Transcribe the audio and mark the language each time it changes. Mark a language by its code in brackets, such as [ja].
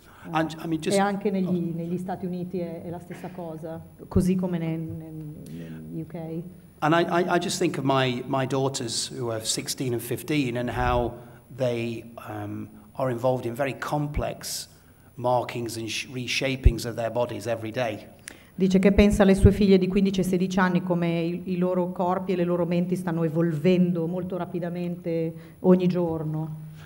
[it] Anche negli Stati Uniti è la stessa cosa, così come nel UK. [en] And I just think of my daughters who are 16 and 15 and how they are involved in very complex markings and reshapings of their bodies every day. [it] Dice che pensa alle sue figlie di 15 e 16 anni come i loro corpi e le loro menti stanno evolvendo molto rapidamente ogni giorno.